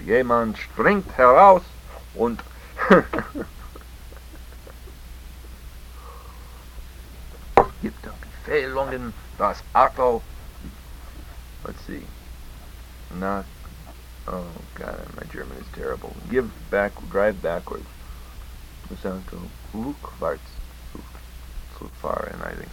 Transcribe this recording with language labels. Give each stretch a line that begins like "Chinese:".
German: Jemand springt heraus und gibt Befehlungen, das Auto.
English: Let's see. Not. Oh god, my German is terrible. Give back, drive backwards.
German: Das Auto rückwärts zu fahren,
English: I think.